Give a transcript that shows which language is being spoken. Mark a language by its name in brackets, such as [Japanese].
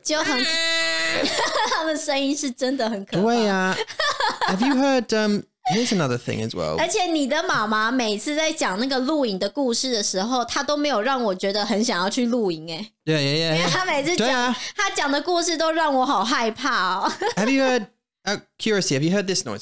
[Chinese] 就很 他们声音是真的很可怕 [English] 对啊 Have you heard, here's another thing as well [Chinese] 而且你的妈妈每次在讲那个露营的故事的时候 她都没有让我觉得很想要去露营耶对啊因为她每次讲 她讲的故事都让我好害怕哦 [English] Have you heard Out of curiosity, have you heard this noise?